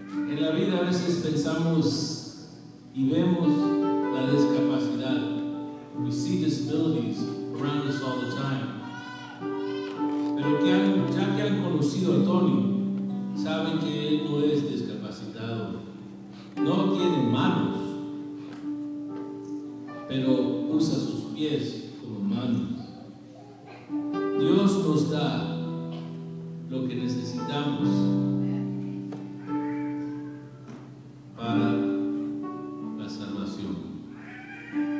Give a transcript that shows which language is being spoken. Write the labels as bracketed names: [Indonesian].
[Spanish] En la vida a veces pensamos y vemos la discapacidad. [English] We see disabilities around us all the time. [Spanish] Pero ya que han conocido a Tony, saben que él no es discapacitado. No tiene manos, pero usa sus pies como manos. Dios nos da lo que necesitamos para la salvación.